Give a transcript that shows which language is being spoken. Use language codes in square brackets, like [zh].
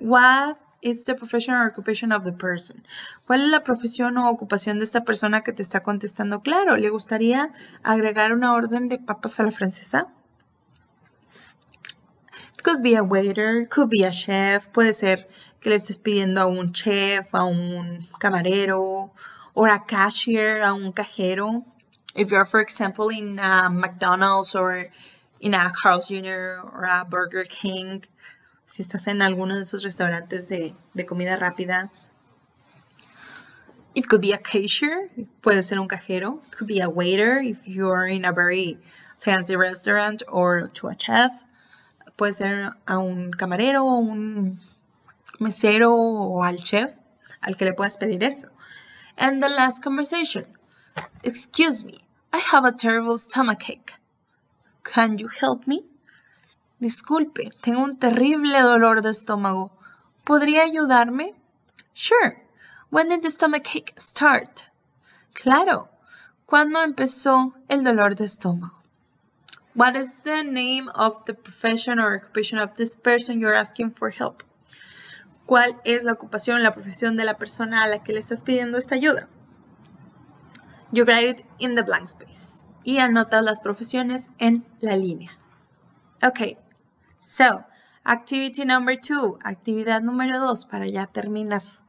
[en] What is the profession or occupation of the person? [es] ¿Cuál es la profesión o ocupación de esta persona que te está contestando? Claro, ¿le gustaría agregar una orden de papas a la francesa? [en] It could be a waiter, could be a chef. [es] Puede ser que le estés pidiendo a un chef, a un camarero, or a cashier, a un cajero. [en] If you're, for example, in a McDonald's or in a Carl's Jr. or a Burger King. [es] Si estás en alguno de esos restaurantes de comida rápida. [en] It could be a cashier. Puede ser un cajero. It could be a waiter if you are in a very fancy restaurant or to a chef. [es] Puede ser a un camarero, un mesero o al chef al que le puedas pedir eso. [en] And the last conversation. Excuse me. I have a terrible stomachache. [es] Can you help me? Disculpe, tengo un terrible dolor de estómago. [en] ¿Podría ayudarme? Sure. When did the stomachache start? Claro. [es] ¿Cuándo empezó el dolor de estómago? [en] What is the name of the profession or occupation of this person you're asking for help? [es] ¿Cuál es la ocupación, la profesión de la persona a la que le estás pidiendo esta ayuda? [en] You write it in the blank space. Y anotas las profesiones en la línea. Okay. [es] So, activity number two, actividad número dos, para ya terminar.